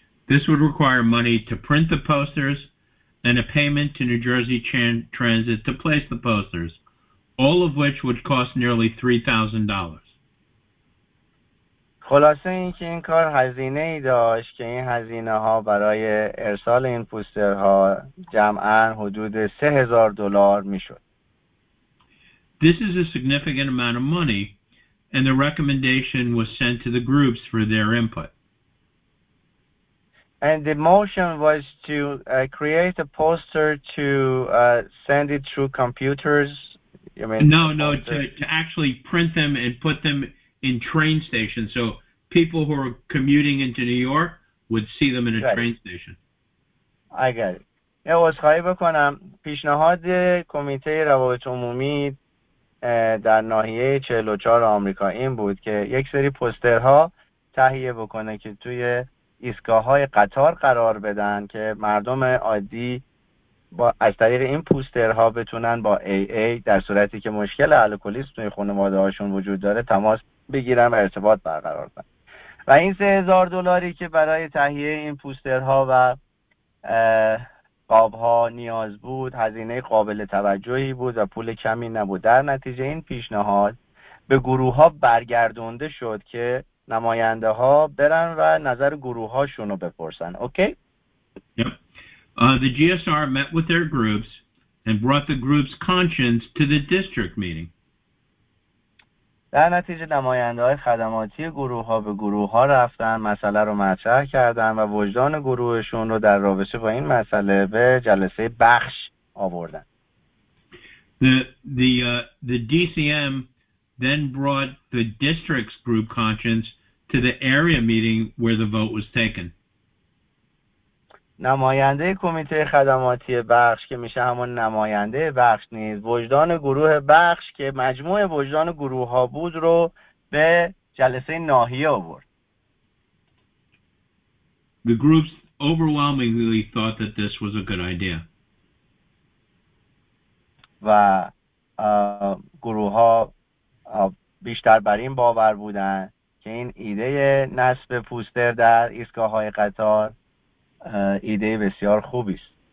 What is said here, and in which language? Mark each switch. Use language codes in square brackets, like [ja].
[en] This would require money to print the posters and a payment to New Jersey Transit to place the posters, all of which would cost nearly $3,000. [fa] خلاصه این که این کار هزینه ای داشت که این هزینه ها برای ارسال این پوسترها جمعاً حدود $3,000 می شد. [en] This is a significant amount of money, and the recommendation was sent to the groups for their input. And the motion was to create a poster to send it through computers? You mean no, to actually print them and put them in train stations. So people who are commuting into New York would see them in a train station. I get it. [fa] یا از خواهی بکنم پیشنهاد کمیته روابط عمومی در ناحیه 44 آمریکا این بود که یک سری پوسترها تهیه بکنه که توی ایستگاه‌های قطار قرار بدن که مردم عادی با از طریق این پوسترها بتونن با AA در صورتی که مشکل الکلیسم توی خانواده‌هاشون وجود داره تماس بگیرن و ارتباط برقرار کنن. و این $3,000 که برای تهیه این پوسترها و قاب‌ها نیاز بود، هزینه قابل توجهی بود و پول کمی نبود. در نتیجه این پیشنهاد به گروه‌ها برگردونده شد که نماینده‌ها برن و نظر گروه‌هاشون رو بپرسن. [en] اوکی؟ The GSR met with their groups and brought the group's conscience to the district meeting. [fa] در نتیجه نماینده‌های خدماتی گروه‌ها به گروه‌ها رفتن، مسئله رو مطرح کردن و وجدان گروهشون رو در رابطه با این مسئله به جلسه بخش آوردن. [en] The DCM then brought the district's group conscience to the area meeting where the vote was taken. [fa] نماینده کمیته خدماتی بخش که میشه همون نماینده بخش نیست، وجدان گروه بخش که مجموع وجدان گروه ها بود رو به جلسه ناحیه آورد. [en] The groups overwhelmingly thought that this was a good idea. [fa] و گروه ها بیشتر بر این باور بودن که این ایده نصب پوستر در ایستگاه‌های قطار ایده بسیار خوبی است.